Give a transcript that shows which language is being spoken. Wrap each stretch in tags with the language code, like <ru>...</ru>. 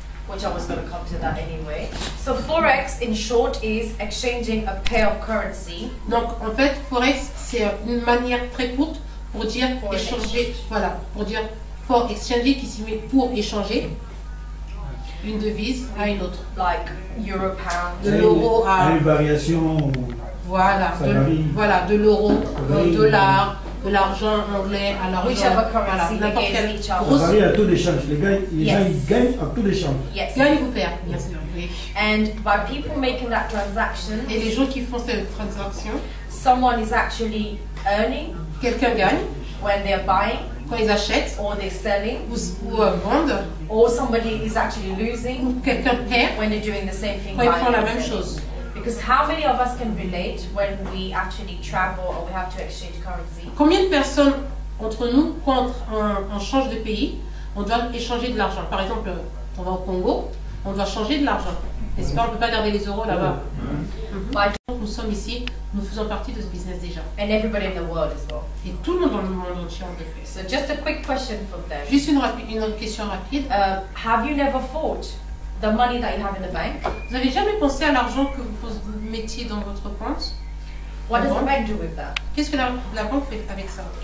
<en>Which I was going to come to that anyway. So Forex, in short, is exchanging a pair of currency.</en> <fr>Donc en fait, Forex, c'est une manière très courte pour dire for échanger, exchange. Voilà, pour dire for exchanger, qui signifie pour échanger une devise à une autre.</fr> <en>Like euro pound.</en> <fr>De l'euro à... Une variation. Voilà, de l'euro au dollar, de l'argent anglais à l'argent.</fr> <en>Which have a currency,</en> <fr>voilà, n'importe quel. Ça varie à taux d'échange. Les gens gagnent à taux d'échange. Yes. Gagnent ou perdent, bien sûr. Oui.</fr> <en>And by people making that transaction,</en> <fr>et les gens qui font cette transaction,</fr> <en>someone is actually earning.</en> <fr>Quelqu'un gagne.</fr> <en>When they're buying.</en> <fr>Quand ils achètent.</fr> <en>Or they're selling.</en> <fr>Ou vendent.</fr> <en>Or somebody is actually losing.</en> <fr>Ou quelqu'un perd.</fr> <en>When they're doing the same thing.</en> <fr>Quand ils font la même chose.</fr> <en>Because how many of us can relate when we actually travel or we have to exchange currency?</en> <fr>Combien de personnes entre nous, quand on change de pays, on doit échanger de l'argent? Par exemple, on va au Congo, on doit changer de l'argent. Est-ce qu'on ne peut pas garder les euros là-bas? Nous sommes ici, nous faisons partie de ce business déjà.</fr> <en>And everybody in the world as well.</en> <fr>Et tout le monde dans le monde entier en fait.</fr> <en>So just a quick question from them.</en> <fr>Juste une question rapide.</fr> <en>Have you never thought the money that you have in the bank?</en> <fr>Vous avez jamais pensé à l'argent que vous mettiez dans votre compte?</fr> <en>What does the bank do with that?</en> <fr>Qu'est-ce que la banque fait avec ça?</fr>